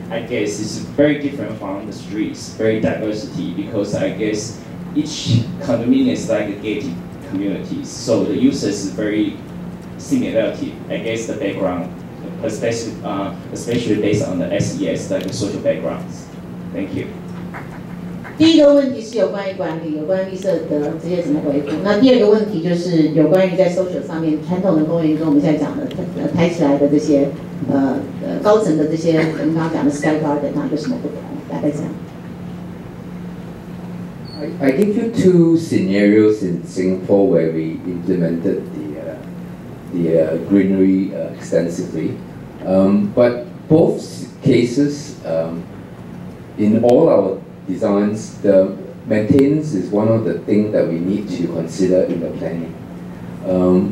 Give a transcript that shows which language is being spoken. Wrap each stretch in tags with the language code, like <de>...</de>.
<en>I guess it's very different from the streets, very diversity, because I guess each condominium is like a gated community, so the users are very similar. I guess the background, especially based on the SES, like the social backgrounds. Thank you.</en> <zh>第一个问题是有关于管理，有关于绿色的这些怎么回复。那第二个问题就是有关于在 social 上面，传统的公园跟我们现在讲的抬起来的这些高层的这些，我们刚刚讲的 sky garden 它有什么不同？大概这样。</zh> <en>I give you two scenarios in Singapore where we implemented greenery extensively, but both cases in all ourdesigns, the maintenance is one of the things that we need to consider in the planning.</en>